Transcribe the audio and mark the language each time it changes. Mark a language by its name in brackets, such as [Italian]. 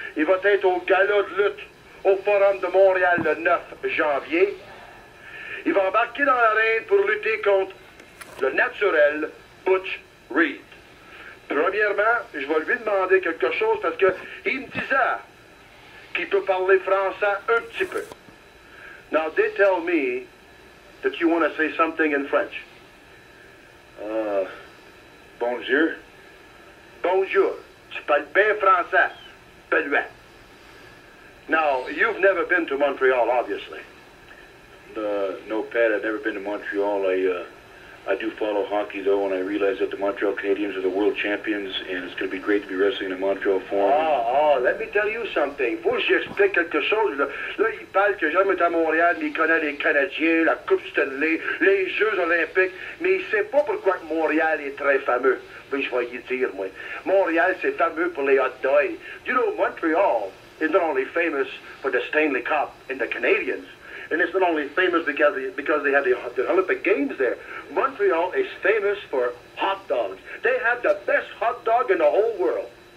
[French] Il va être au gala de lutte au Forum de Montréal le 9 janvier. Il va embarquer dans l'arène pour lutter contre le naturel Butch Reed. Premièrement, je vais lui demander quelque chose parce qu'il me disait qu'il peut parler français un petit peu. [English] Now, they tell me that you want to say something in French. [French] Bonjour. Bonjour. Tu parles bien français. Benoît. [English] Now, you've never been to Montreal, obviously. No, Pat, I've never been to Montreal. I do follow hockey, though, and I realize that the Montreal Canadiens are the world champions, and it's going to be great to be wrestling in the Montreal Forum. Oh, let me tell you something. [French] Faut que j'explique quelque chose. Là, il parle que jamais été à Montréal, mais il connaît les Canadiens, la Coupe Stanley, les Jeux Olympiques, mais il sait pas pourquoi Montréal est très fameux. Mais je vais y dire, moi. Montréal, c'est fameux pour les hot dogs. [English] You know, Montreal is not only famous for the Stanley Cup and the Canadiens. And it's not only famous because they have the Olympic Games there. Montreal is famous for hot dogs. They have the best hot dog in the whole world.